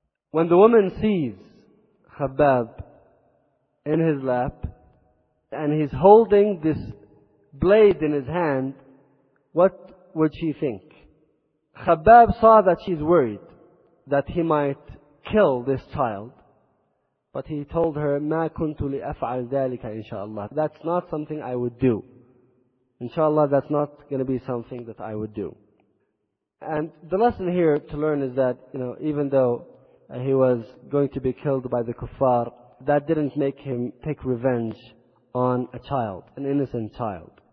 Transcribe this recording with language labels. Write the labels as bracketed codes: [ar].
[en] When the woman sees Khabbab in his lap, and he's holding this blade in his hand, what would she think? Khabbab saw that she's worried that he might kill this child. But he told her, [ar] مَا كُنْتُ لِأَفْعَلْ ذَلِكَ إِنْشَاءَ. [en] That's not something I would do. InshaAllah, that's not going to be something that I would do. And the lesson here to learn is that, you know, even though he was going to be killed by the kuffar, that didn't make him take revenge on a child, an innocent child.